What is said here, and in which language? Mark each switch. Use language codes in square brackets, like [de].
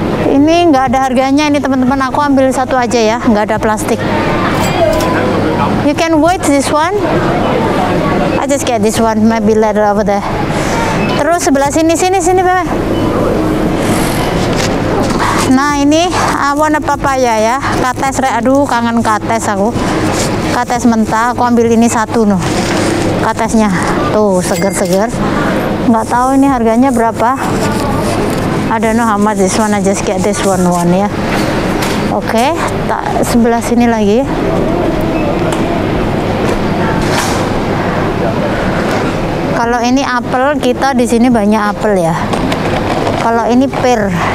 [id] Ini nggak ada harganya ini teman-teman. Aku ambil satu aja ya, nggak ada plastik. [en] You can wait this one. I just get this one, maybe later over there. [id] Terus sebelah sini bebe. Nah ini [en] I want a papaya [id] ya. Kates rek, aduh kangen kates aku. Kates mentah. Aku ambil ini satu nuh. Katesnya tuh seger-seger. Nggak tahu ini harganya berapa. [en] I don't know how much this one, I just get this one ya. [id] Oke, tak sebelah sini lagi. Kalau ini apel, kita di sini banyak apel ya. Kalau ini pear.